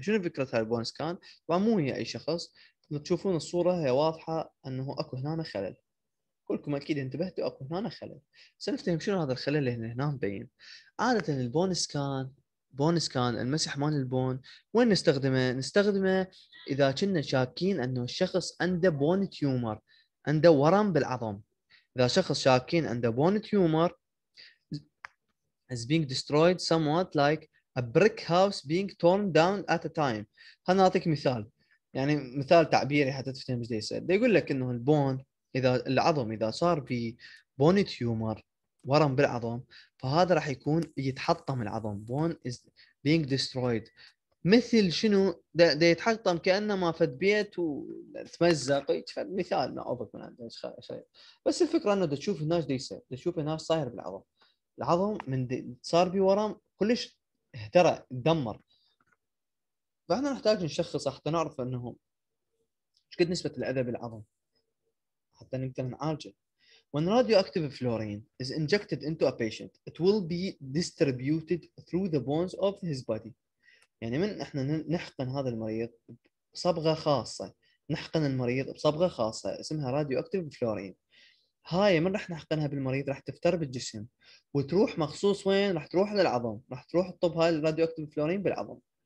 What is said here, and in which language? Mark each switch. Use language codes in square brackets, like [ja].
[ar] شنو فكرة هاي البونس كان؟ طبعا مو هي أي شخص، تشوفون الصورة هي واضحة أنه أكو هنا خلل، كلكم أكيد انتبهتوا أكو هنا خلل. سنفتهم شنو هذا الخلل اللي هنا مبين. عادة البونس كان، بونس كان المسح مال البون، وين نستخدمه؟ نستخدمه إذا كنا شاكين أنه الشخص عنده بون تيومر، عنده ورم بالعظم. إذا شخص شاكين عنده بون تيومر [en] is being destroyed somewhat like a brick house being torn down at a time. [ar] هنا أعطيك مثال، يعني مثال تعبيري حتى تفهم ايش يصير. يقول لك انه البون اذا العظم اذا صار في بون تيومر ورم بالعظم، فهذا راح يكون يتحطم العظم. بون [en] is being destroyed [ar] مثل شنو؟ ده يتحطم كأنما فد بيت وتمزق. فد مثال ما أوبك من عندنا شيء، بس الفكرة أنه تشوف الناس دي يصير، تشوف الناس صاير بالعظم، العظم من صار بي ورم كلش اهترى تدمر. فاحنا نحتاج نشخص حتى نعرف أنه ايش قد نسبة الأذى بالعظم حتى نقدر نعالجه. [en] When radioactive fluorine is injected into a patient, it will be distributed through the bones of his body. [ar] يعني من احنا نحقن هذا المريض بصبغه خاصه، نحقن المريض بصبغه خاصه اسمها راديو اكتيف فلورين، هاي من راح نحقنها بالمريض راح تفتر بالجسم وتروح مخصوص وين؟ راح تروح للعظم، راح تروح تطب هاي الراديو اكتيف فلورين بالعظم.